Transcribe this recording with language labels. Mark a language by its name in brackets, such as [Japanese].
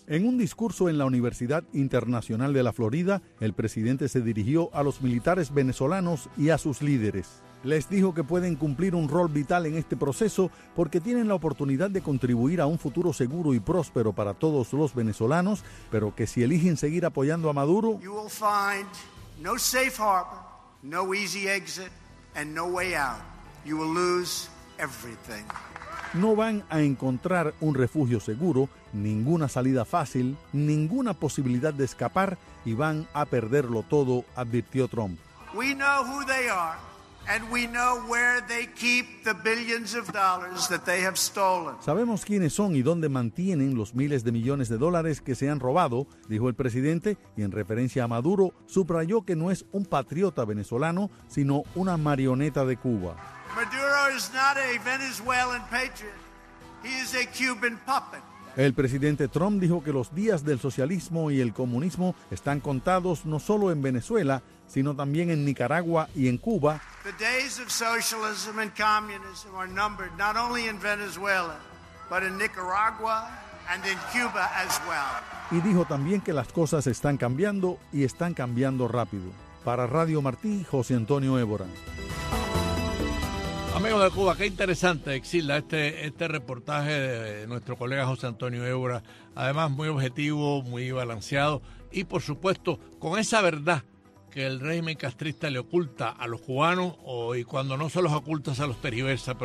[Spanish] En un discurso en la Universidad Internacional de la Florida, el presidente se dirigió a los militares venezolanos y a sus líderes. Les dijo que pueden cumplir un rol vital en este proceso porque tienen la oportunidad de contribuir a un futuro seguro y próspero para todos los venezolanos, pero que si eligen seguir apoyando a Maduro, [English] you will find no safe harbor, no easy exit, and no way out. You will lose everything. [Spanish] No van a encontrar un refugio seguro, ninguna salida fácil, ninguna posibilidad de escapar y van a perderlo todo, advirtió Trump. [English] We know who they are, and we know where they keep the billions of dollars that they have stolen. [Spanish] Sabemos quiénes son y dónde mantienen los miles de millones de dólares que se han robado, dijo el presidente, y en referencia a Maduro, subrayó que no es un patriota venezolano, sino una marioneta de Cuba. [English] Maduro is not a Venezuelan patriot. He is a Cuban puppet. [Spanish] El presidente Trump dijo que los días del socialismo y el comunismo están contados no solo en Venezuela, sino también en Nicaragua y en Cuba. [English] The days of socialism and communism are numbered not only in Venezuela, but in Nicaragua and in Cuba as well. [Spanish] Y dijo también que las cosas están cambiando y están cambiando rápido. Para Radio Martí, José Antonio Évora. Amigos de Cuba, qué interesante, Exilda, este reportaje de nuestro colega José Antonio Évora. Además, muy objetivo, muy balanceado y, por supuesto, con esa verdad que el régimen castrista le oculta a los cubanos y cuando no se los oculta se los tergiversa.